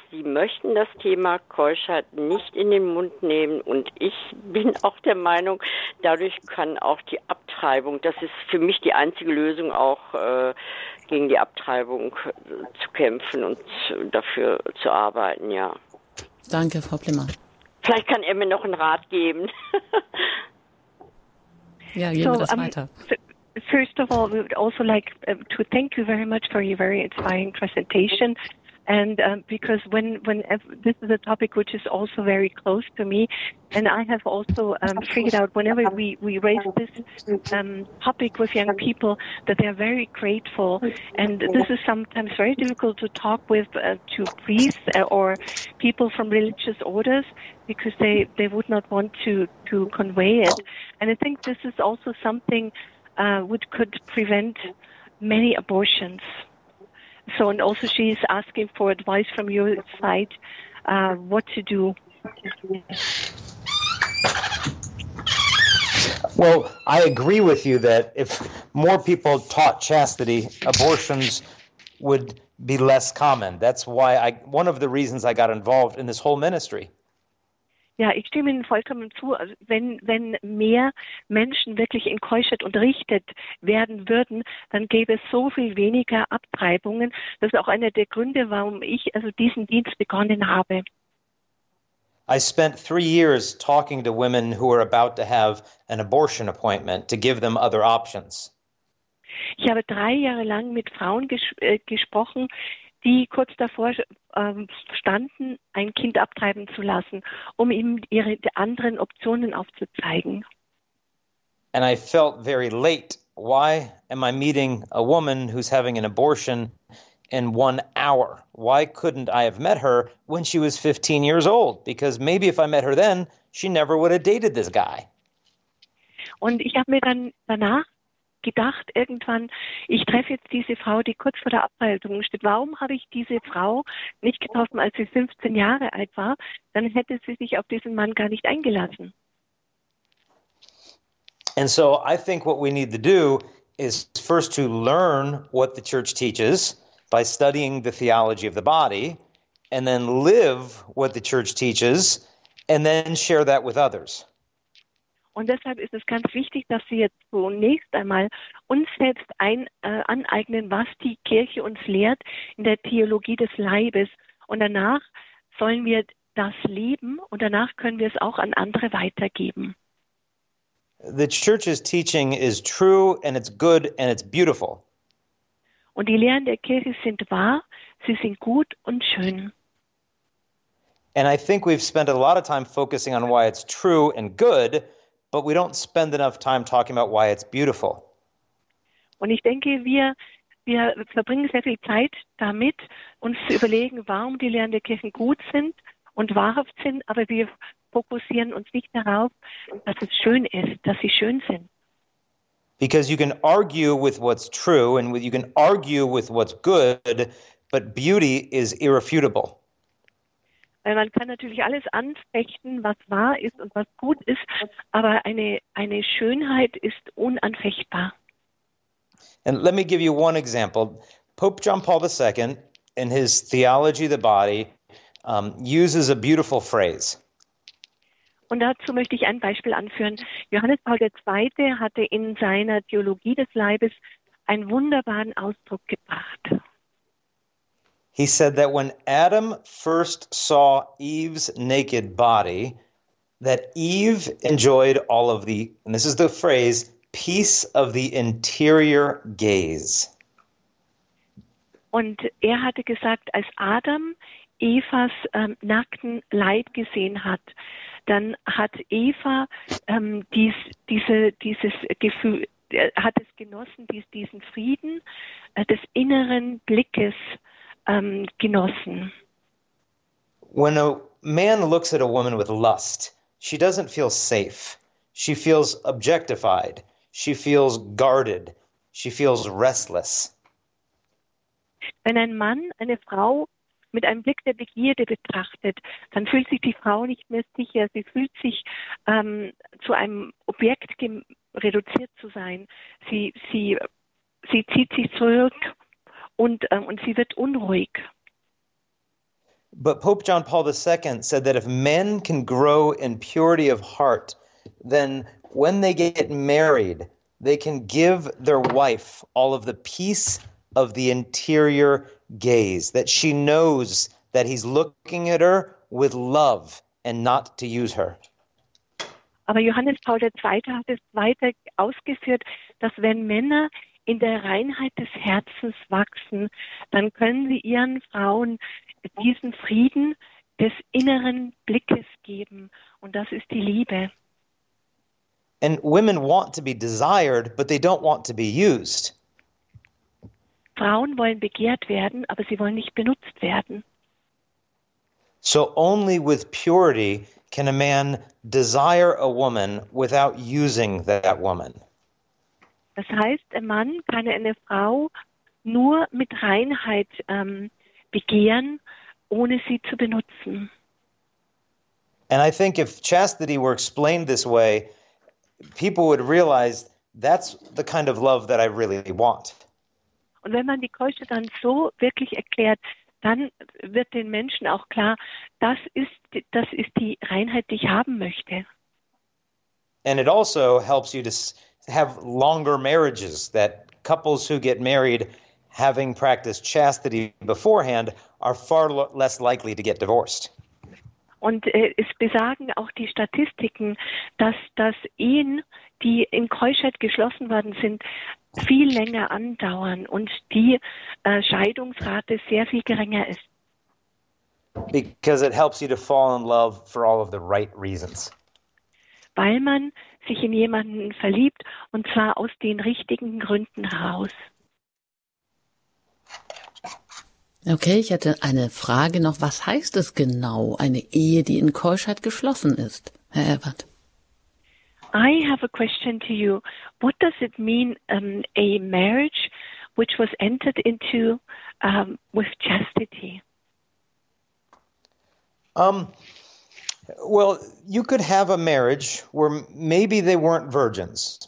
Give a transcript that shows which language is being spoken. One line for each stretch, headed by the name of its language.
German: Sie möchten das Thema Keuschheit nicht in den Mund nehmen und ich bin auch der Meinung, dadurch kann auch die Abtreibung, das ist für mich die einzige Lösung auch, gegen die Abtreibung zu kämpfen und dafür zu arbeiten, ja. Danke, Frau Plimmer. Vielleicht kann er mir noch einen Rat geben. Ja, gehen wir das weiter.
English: First of all, we would also like to thank you very much for your very inspiring presentation. And because this is a topic which is also very close to me, and I have also figured out whenever we raise this topic with young people that they are very grateful. And this is sometimes very difficult to talk with to priests or people from religious orders because they would not want to convey it. And I think this is also something which could prevent many abortions. So, and also she's asking for advice from your side, what to do. Well, I agree with you that if more people taught chastity, abortions would be less common. That's why one of the reasons I got involved in this whole ministry.
German: Ja, ich stimme Ihnen vollkommen zu. Wenn mehr Menschen wirklich in Keuschheit unterrichtet werden würden, dann gäbe es so viel weniger Abtreibungen. Das ist auch einer der Gründe, warum ich also diesen Dienst begonnen habe.
English: I spent 3 years talking to women who are about to have an abortion appointment to give them other options.
German: Ich habe 3 Jahre lang mit Frauen gesprochen, die kurz davor standen, ein Kind abtreiben zu lassen, um ihm die anderen Optionen aufzuzeigen.
English: And I felt very late. Why am I meeting a woman who's having an abortion in 1 hour? Why couldn't I have met her when she was 15 years old? Because maybe if I met her then, she never would have dated this guy.
German: Und ich habe mir dann danach gedacht irgendwann, ich treffe jetzt diese Frau, die kurz vor der Abtreibung steht. Warum habe ich diese Frau nicht getroffen, als sie 15 Jahre alt war? Dann hätte sie sich auf diesen Mann gar nicht eingelassen.
English: And so I think what we need to do is first to learn what the church teaches, by studying the theology of the body, and then live what the church teaches, and then share that with others.
German: Und deshalb ist es ganz wichtig, dass wir jetzt zunächst einmal uns selbst aneignen, was die Kirche uns lehrt in der Theologie des Leibes. Und danach sollen wir das leben und danach können wir es auch an andere weitergeben.
English: The church's teaching is true and it's good and it's beautiful.
German: Und die Lehren der Kirche sind wahr, sie sind gut und schön.
English: And I think we've spent a lot of time focusing on why it's true and good, but we don't spend enough time talking about why it's beautiful.
German: Und ich denke, wir verbringen sehr viel Zeit damit, uns zu überlegen, warum die Lehren der Kirche gut sind und wahrhaft sind, aber wir fokussieren uns nicht darauf, dass es schön ist, dass sie schön sind.
English: Because you can argue with what's true and you can argue with what's good, but beauty is irrefutable.
German: Weil man kann natürlich alles anfechten, was wahr ist und was gut ist, aber eine Schönheit ist unanfechtbar.
English: And let me give you one example. Pope John Paul II, in his Theology of the Body, uses a beautiful phrase.
German: Und dazu möchte ich ein Beispiel anführen. Johannes Paul II. Hatte in seiner Theologie des Leibes einen wunderbaren Ausdruck gebracht.
English: He said that when Adam first saw Eve's naked body, that Eve enjoyed all of the, and this is the phrase, peace of the interior gaze.
German: Und hatte gesagt, als Adam Evas nackten Leib gesehen hat, dann hat Eva dieses Gefühl, hat es genossen, diesen Frieden des inneren Blickes genossen.
English: When a man looks at a woman with lust, she doesn't feel safe. She feels objectified. She feels guarded. She feels restless.
German: Wenn ein Mann eine Frau mit einem Blick der Begierde betrachtet, dann fühlt sich die Frau nicht mehr sicher. Sie fühlt sich zu einem Objekt reduziert zu sein. Sie zieht sich zurück und sie wird unruhig.
English: But Pope John Paul II said that if men can grow in purity of heart, then when they get married, they can give their wife all of the peace of the interior gaze, that she knows that he's looking at her with love and not to use her.
German: Aber Johannes Paul II. Hat es weiter ausgeführt, dass wenn Männer in der Reinheit des Herzens wachsen, dann können sie ihren Frauen diesen Frieden des inneren Blickes geben. Und das ist die Liebe.
English: And women want to be desired, but they don't want to be used.
German: Frauen wollen begehrt werden, aber sie wollen nicht benutzt werden.
English: So only with purity can a man desire a woman without using that woman.
German: Das heißt, ein Mann kann eine Frau nur mit Reinheit begehren, ohne sie zu benutzen.
English: And I think if chastity were explained this way, people would realize that's the kind of love that I really want.
German: Und wenn man die Keusche dann so wirklich erklärt, dann wird den Menschen auch klar, das ist die Reinheit, die ich haben möchte.
English: And it also helps you to have longer marriages, that couples who get married having practiced chastity beforehand are far less likely to get divorced.
German: Und es besagen auch die Statistiken, dass Ehen, die in Keuschheit geschlossen worden sind, viel länger andauern und die Scheidungsrate sehr viel geringer ist.
English: Because it helps you to fall in love for all of the right reasons.
German: Weil man sich in jemanden verliebt und zwar aus den richtigen Gründen heraus. Okay, ich hatte eine Frage noch. Was heißt es genau, eine Ehe, die in Keuschheit geschlossen ist, Herr Ebert?
English: I have a question to you. What does it mean, a marriage which was entered into with chastity? Well, you could have a marriage where maybe they weren't virgins.